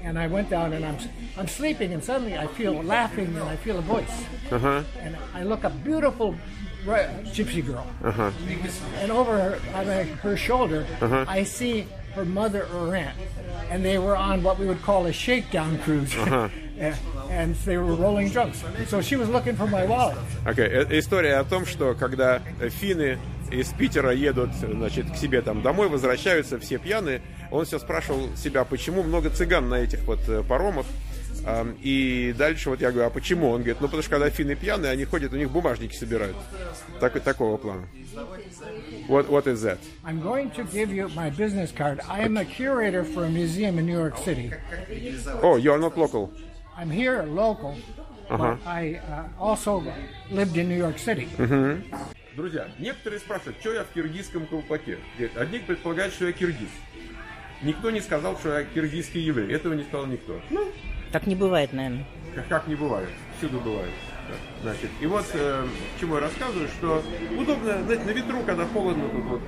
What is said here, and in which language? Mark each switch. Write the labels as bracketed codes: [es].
[en] And I went down, and I'm sleeping, and suddenly I feel laughing, and I feel a voice. Uh-huh. And I look up, beautiful gypsy girl. Uh-huh. And over her shoulder, uh-huh. I see... her mother or aunt, and they were on what we would call a shakedown cruise, uh-huh. and they were rolling drugs. So she was looking for my wallet. [ru] Okay, история о том, что когда финны из Питера едут, значит, к себе там домой, возвращаются все пьяные, он все спрашивал себя, почему много цыган на этих вот паромах. И дальше вот я говорю, а почему? Он говорит, ну потому что когда финны пьяные, они ходят, у них бумажники собирают. Так, такого плана. [en] What is that? I'm going to give you my business card. I am a curator for a museum in New York City. Oh, you are not local. I'm here local, uh-huh. but I also lived in New York City. [ru] Друзья, некоторые спрашивают, что я в киргизском колпаке? Одни предполагают, что я киргиз. Никто не сказал, что я киргизский еврей. Этого не сказал никто. Ну, так не бывает, наверное. Как не бывает? Всюду бывает. Значит, и вот чему я рассказываю, что удобно, знаете, на ветру, когда холодно тут вот.